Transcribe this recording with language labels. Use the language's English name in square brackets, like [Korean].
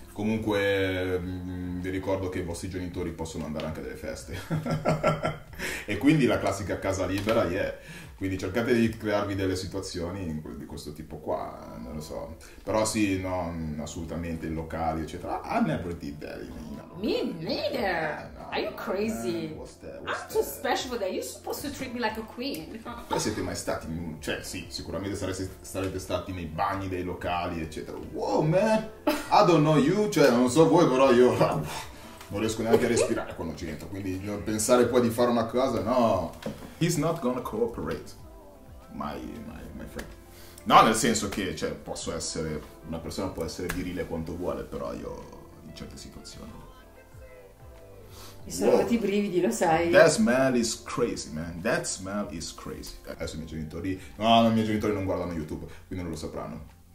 [Italian] Comunque vi ricordo che i vostri genitori possono andare anche alle feste e quindi la classica casa libera, quindi cercate di crearvi delle situazioni di questo tipo qua, non lo so. Però sì, no, assolutamente, i locali, eccetera. [English] I never did that, you know. Me neither. No, are you crazy? What's that? Too special for that. You're supposed to treat me like a queen. [Italian] Ma siete mai stati in un... Cioè, sì, sicuramente sarete stati nei bagni dei locali, eccetera. [English] Wow, man. I don't know you. [Italian] Cioè, non so voi, però io... Non riesco neanche a respirare quando ci entro, quindi pensare poi di fare una cosa, no. [English] He's not gonna cooperate, my friend. [Italian] No, nel senso che, cioè, posso essere, una persona può essere virile quanto vuole, però io in certe situazioni... Mi sono fatti i brividi, lo sai. [English] That smell is crazy, man. [Italian] Adesso i miei genitori non guardano YouTube, quindi non lo sapranno.